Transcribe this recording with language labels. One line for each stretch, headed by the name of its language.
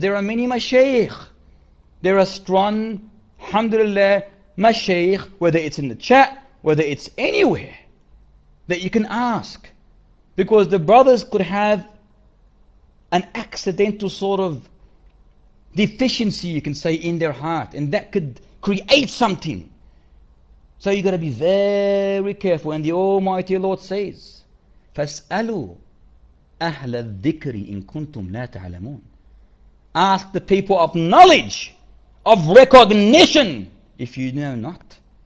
English: There are many mashayikh. There are strong, alhamdulillah, mashayikh, whether it's in the chat, whether it's anywhere, that you can ask. Because the brothers could have an accidental sort of deficiency, you can say, in their heart. And that could create something. So you got to be very careful. And the Almighty Lord says,
Arabic: فَاسْأَلُوا أَهْلَ الذِّكْرِ إِن كُنْتُمْ لَا تَعْلَمُونَ.
English: Ask the people of knowledge, of recognition, if you know not.